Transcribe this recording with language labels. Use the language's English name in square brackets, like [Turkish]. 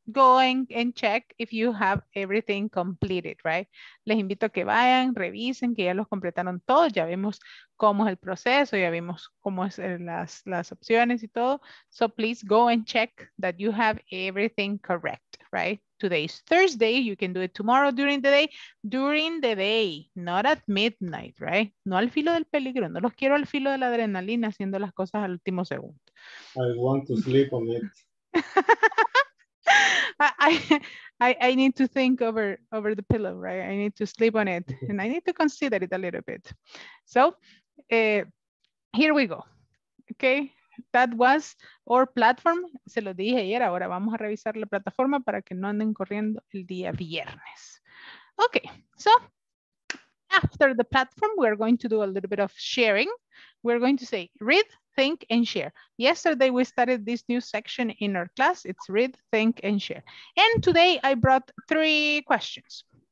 [English] Go and check if you have everything completed, right? [Spanish] Les invito a que vayan, revisen, que ya los completaron todos. Ya vimos cómo es el proceso, ya vimos cómo es las opciones y todo. [English] So please go and check that you have everything correct, right? Today is Thursday. You can do it tomorrow during the day. During the day, not at midnight, right? [Spanish] No al filo del peligro. No los quiero al filo de la adrenalina haciendo las cosas al último segundo. [English] I want to sleep on it. I need to think over the pillow, right? I need to sleep on it and I need to consider it a little bit. So here we go. Okay, that was our platform. [Spanish] Se lo dije ayer, ahora vamos a revisar la plataforma para que no anden corriendo el día viernes. [English] Okay, so after the platform, we're going to do a little bit of sharing. We're going to say read, think, and share. Yesterday, we started this new section in our class. It's read, think, and share. And today, I brought three questions.